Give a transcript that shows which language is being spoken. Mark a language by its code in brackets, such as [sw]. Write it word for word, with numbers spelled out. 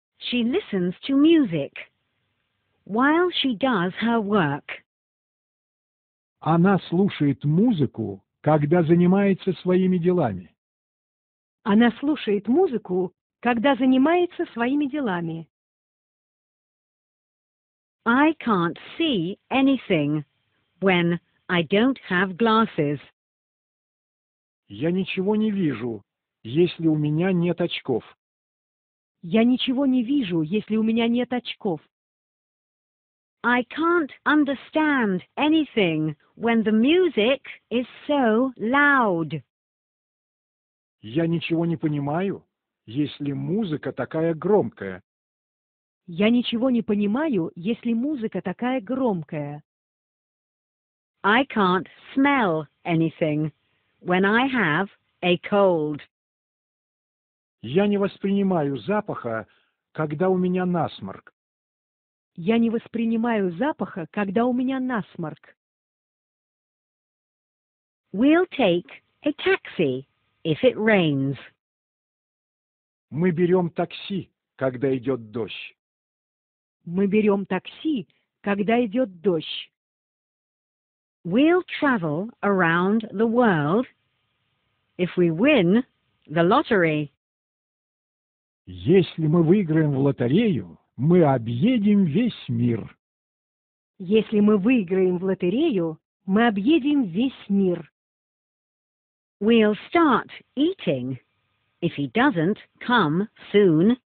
[en] She listens to music while she does her work. [ru] Она слушает музыку, когда занимается своими делами. Она слушает музыку, когда занимается своими делами. [en] I can't see anything when I don't have glasses. [ru] Я ничего не вижу, если у меня нет очков. Я ничего не вижу, если у меня нет очков. [en] I can't understand anything when the music is so loud. [ru] Я ничего не понимаю, если музыка такая громкая. Я ничего не понимаю, если музыка такая громкая. [en] I can't smell anything when I have a cold. [ru] Я не воспринимаю запаха, когда у меня насморк. Я не воспринимаю запаха, когда у меня насморк. [en] We'll take a taxi if it rains. [ru] Мы берем такси, когда идет дождь. Мы берем такси, когда идет дождь. [en] We'll travel around the world if we win the lottery. [ru] Если мы выиграем в лотерею, мы объедем весь мир. Если мы выиграем в лотерею, мы объедем весь мир. [en] We'll start eating if he doesn't come soon.